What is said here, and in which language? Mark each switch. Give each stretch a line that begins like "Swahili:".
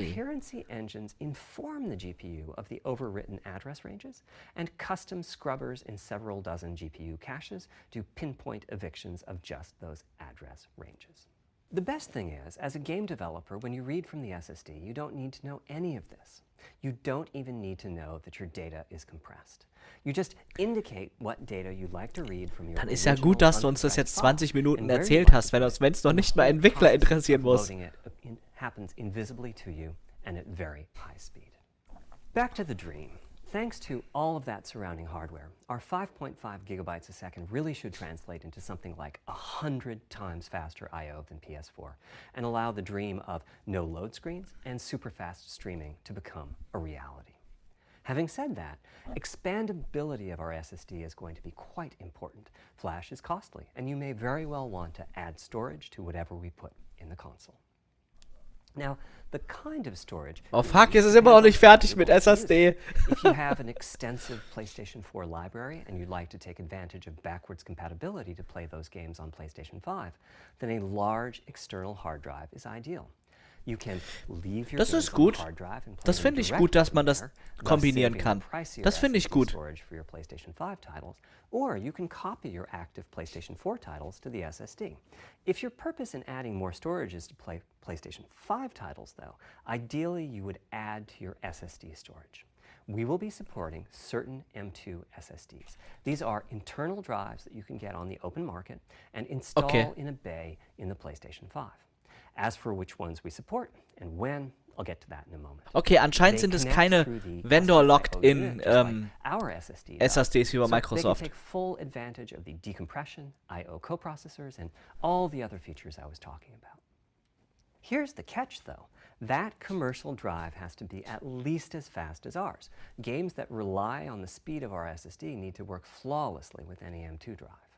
English: The coherency engines inform the GPU of the overwritten address ranges, and custom scrubbers in several dozen GPU caches do pinpoint evictions of just those address ranges. The best thing is, as a game developer, when you read from the SSD, you don't need to know any of this. You don't even need to know that your data is compressed. You just indicate what data you'd like to read from your.
German: Dann ist ja gut, dass du uns das jetzt 20 Minuten erzählt hast, wenn es noch nicht mal Entwickler interessieren muss.
English: It happens invisibly to you and at very high speed. Back to the dream. Thanks to all of that surrounding hardware, our 5.5 gigabytes a second really should translate into something like 100 times faster I/O than PS4 and allow the dream of no load screens and super fast streaming to become a reality. Having said that, expandability of our SSD is going to be quite important. Flash is costly, and you may very well want to add storage to whatever we put in the console. Now, the kind of storage. Oh fuck,
German: es ist immer noch nicht fertig mit SSD.
English: If you have an extensive PlayStation 4 library and you'd like to take advantage of backwards compatibility to play those games on PlayStation 5, then a large external hard drive is ideal. You can leave your
German: das ist gut. Das finde ich gut, dass man das kombinieren kann. Das finde ich gut.
English: Storage for your PlayStation 5 titles, or you can copy your active PlayStation 4 titles to the SSD. If your purpose in adding more storage is to play PlayStation 5 titles, though, ideally you would add to your SSD storage. We will be supporting certain M2 SSDs. These are internal drives that you can get on the open market and install okay. in a bay in the PlayStation 5. As for which ones we support and when, I'll get to that in a moment.
German: Okay, anscheinend sind es keine vendor-locked-in SSDs über Microsoft.
English: So they can take full advantage of the decompression, I/O coprocessors, and all the other features I was talking about. Here's the catch, though. That commercial drive has to be at least as fast as ours. Games that rely on the speed of our SSD need to work flawlessly with any M2 drive.